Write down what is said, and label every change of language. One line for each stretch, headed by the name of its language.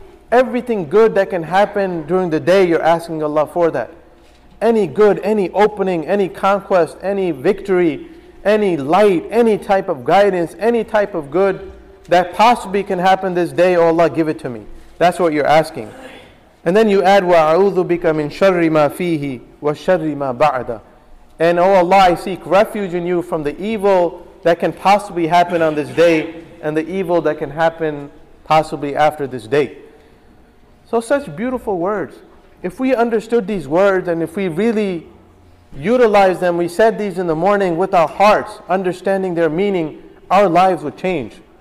English: Everything good that can happen during the day, you're asking Allah for that. Any good, any opening, any conquest, any victory, any light, any type of guidance, any type of good that possibly can happen this day, oh Allah, give it to me. That's what you're asking. And then you add,
Arabic: وَأَعُوذُ بِكَ مِن شَرِّ مَا فِيهِ وَشَرِّ مَا بَعْدَ.
English: And oh Allah, I seek refuge in you from the evil that can possibly happen on this day, and the evil that can happen possibly after this day. So such beautiful words. If we understood these words, and if we really utilized them, we said these in the morning with our hearts, understanding their meaning, our lives would change.